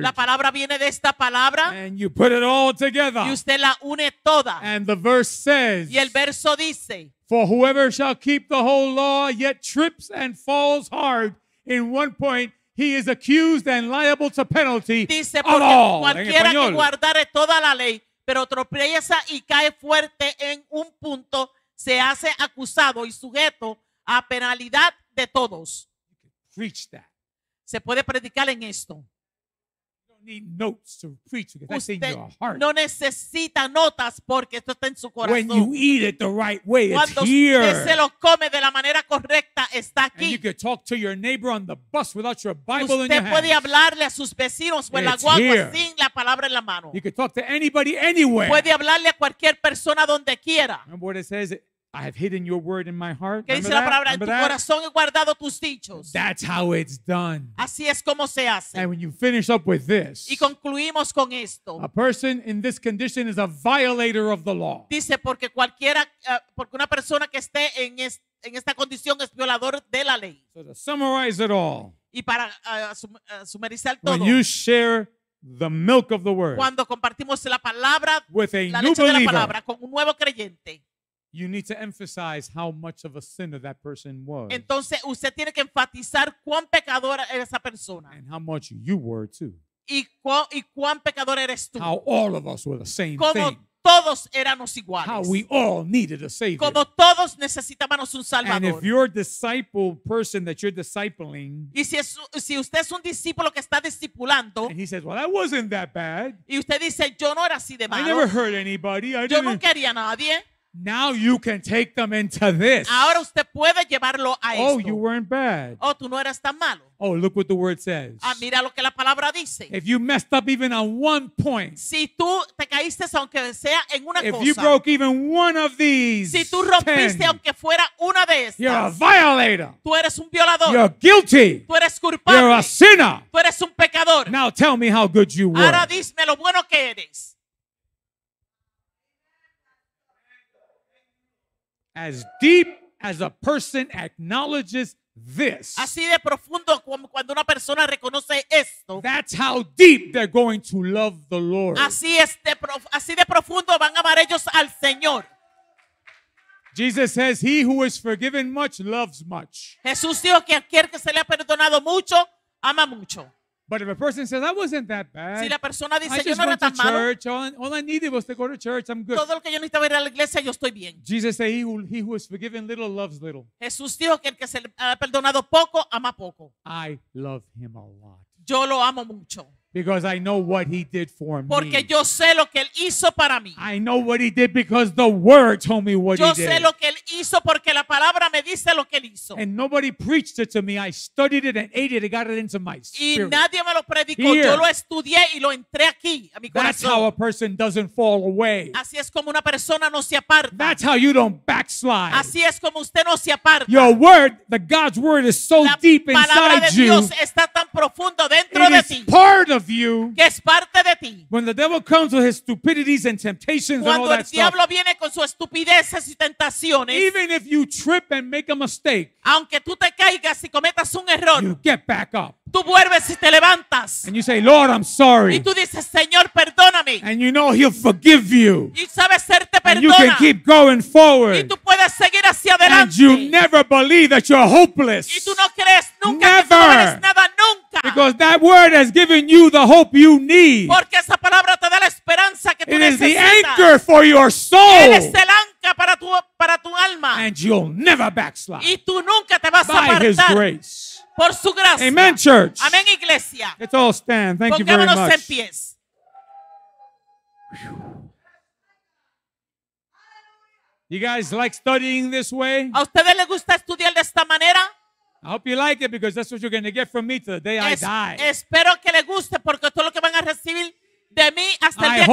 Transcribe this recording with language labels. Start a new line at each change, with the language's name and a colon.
Spanish: La palabra viene de esta palabra.
English: And you put it all together.
Spanish: Y usted la une toda.
English: And the verse says,
Spanish: y el verso dice,
English: for whoever shall keep the whole law yet trips and falls hard in one point, he is accused and liable to penalty.
Spanish: Dice porque cualquiera que guardare toda la ley, pero tropieza y cae fuerte en un punto, se hace acusado y sujeto a penalidad de todos.
English: You can preach that.
Spanish: Se puede predicar en esto.
English: You don't need notes to preach because that's in your heart.
Spanish: No necesita notas porque esto está en su corazón.
English: When you eat it the right way,
Spanish: cuando
English: it's here.
Spanish: Cuando usted se lo come de la manera correcta, está aquí.
English: And you can talk to your neighbor on the bus without your Bible
Spanish: usted
English: in your hand.
Spanish: Usted puede hablarle a sus vecinos o en la guagua
English: here.
Spanish: Sin la palabra en la mano.
English: You can talk to anybody anywhere. Puede hablarle a cualquier persona donde quiera. Remember what it says? I have hidden your word in my heart.
Spanish: ¿Qué dice la palabra? En tu corazón he guardado tus dichos.
English: That's how it's done.
Spanish: Así es como se hace.
English: And when you finish up with this,
Spanish: y concluimos con esto.
English: A person in this condition is a violator of the law.
Spanish: Dice porque cualquiera, porque una persona que esté en, en esta condición es violador de la ley.
English: So to summarize it all,
Spanish: y para sumarizar todo,
English: when you share the milk of the word,
Spanish: cuando compartimos la palabra,
English: with a
Spanish: la
English: new
Spanish: leche
English: believer,
Spanish: de la palabra, con un nuevo creyente,
English: you need to emphasize how much of a sinner that person was.
Spanish: Entonces, usted tiene que enfatizar cuán pecadora era esa persona.
English: And how much you were too.
Spanish: Y cuán pecador eres tú.
English: How all of us were the same
Spanish: como
English: thing.
Spanish: Todos éramos iguales.
English: How we all needed a savior.
Spanish: Como todos necesitábamos un salvador.
English: And if you're a disciple person that you're discipling,
Spanish: y si, es, si usted es un discípulo que está discipulando,
English: and he says, well, that wasn't that bad.
Spanish: Y usted dice, yo no era así de malo.
English: I never hurt anybody. I
Spanish: yo
English: didn't...
Spanish: no quería a nadie.
English: Now you can take them into this.
Spanish: Ahora usted puede llevarlo a
English: oh,
Spanish: esto.
English: Oh, you weren't bad.
Spanish: Oh, tú no eras tan malo.
English: Oh, look what the word says.
Spanish: Ah, mira lo que la palabra dice.
English: If you messed up even on one point.
Spanish: Si tú te caíste aunque sea en una
English: if
Spanish: cosa.
English: If you broke even one of these.
Spanish: Si tú rompiste
English: ten,
Spanish: aunque fuera una de estas.
English: You're a violator.
Spanish: Tú eres un violador.
English: You're guilty.
Spanish: Tú eres culpable.
English: You're a sinner.
Spanish: Tú eres un pecador.
English: Now tell me how good you were.
Spanish: Ahora dime lo bueno que eres.
English: As deep as a person acknowledges this,
Spanish: así de profundo como cuando una persona reconoce esto,
English: that's how deep they're going to love the Lord.
Spanish: Así es de así de profundo van a amar ellos al Señor.
English: Jesus says, "He who is forgiven much loves much."
Spanish: Jesús dijo que aquel que se le ha perdonado mucho ama mucho.
English: But if a person says, "I wasn't that bad,"
Spanish: si la persona dice,
English: I just
Spanish: yo no
English: went
Spanish: era tan
English: to church.
Spanish: Malo.
English: All I needed was to go to church. I'm good.
Spanish: Todo lo que yo necesitaba era la iglesia, yo estoy bien.
English: Jesus said, "He who is forgiven little loves little."
Spanish: Jesús dijo que el que se le ha perdonado poco ama poco.
English: I love him a lot.
Spanish: Yo lo amo mucho.
English: Because I know what he did for me.
Spanish: Porque yo sé lo que él hizo para mí.
English: I know what he did because the word told me what
Spanish: yo
English: he did.
Spanish: Yo sé lo que él hizo porque la palabra me dice lo que él hizo.
English: And nobody preached it to me. I studied it and ate it and got it into my spirit.
Spanish: Y nadie me lo predicó.
English: Here.
Spanish: Yo lo estudié y lo entré aquí, a mi corazón.
English: That's how a person doesn't fall away.
Spanish: Así es como una persona no se aparta.
English: That's how you don't backslide.
Spanish: Así es como usted no se aparta.
English: Your word, the God's word is so deep inside you.
Spanish: La palabra de Dios está tan profundo dentro
English: it
Spanish: de
English: is
Spanish: ti.
English: Part of you
Spanish: que es parte de ti.
English: When the devil comes with his stupidities and temptations
Spanish: cuando
English: and all
Spanish: el
English: that
Spanish: diablo
English: stuff,
Spanish: viene con sus estupideces y tentaciones,
English: even if you trip and make a mistake,
Spanish: aunque tú te caigas y cometas un error,
English: you get back up.
Spanish: Tú vuelves y te levantas.
English: And you say, Lord, I'm sorry.
Spanish: Y tú dices, Señor, perdóname. perdóname.
English: And you know he'll forgive you.
Spanish: Y sabe serte perdona.
English: And you can keep going forward.
Spanish: Y tú puedes seguir hacia adelante.
English: And you never believe that you're hopeless.
Spanish: Y tú no crees nunca
English: never.
Spanish: Que no eres nada, nunca.
English: Because that word has given you the hope you need.
Spanish: Porque esa palabra te da la esperanza que tú
English: it
Spanish: necesitas.
English: Is the anchor for your soul.
Spanish: Él es el ancla para tu alma.
English: And you'll never backslide.
Spanish: Y tú nunca te vas
English: by
Spanish: a apartar.
English: His grace.
Spanish: Por su gracia.
English: Amen, church.
Spanish: Amen, iglesia.
English: Let's all stand. Thank
Spanish: pongámonos
English: you very much.
Spanish: En pies.
English: You guys like studying this way?
Spanish: ¿A ustedes les gusta estudiar de esta manera?
English: I hope you like it because that's what you're going to get from me to the day I die.
Spanish: Espero que les guste porque esto es lo que van a recibir de mí hasta el día que